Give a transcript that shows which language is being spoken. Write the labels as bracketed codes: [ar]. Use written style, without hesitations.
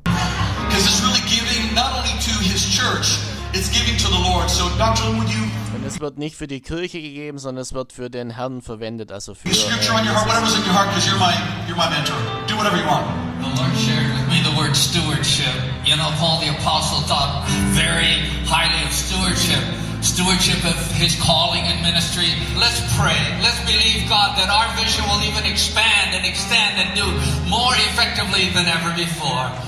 [en] Because it's really giving not only to his church, it's giving to the Lord. So, Dr. Lynn, would you... [de] Und es wird nicht für die Kirche gegeben, sondern es wird für den Herrn verwendet, also für... [en] Scripture on your heart, whatever's in your heart, because you're my mentor. Do whatever you want. The Lord shared with me the word stewardship. You know, Paul the Apostle thought very highly of stewardship. Stewardship of his calling and ministry. Let's pray. Let's believe God that our vision will even expand and extend and do more effectively than ever before.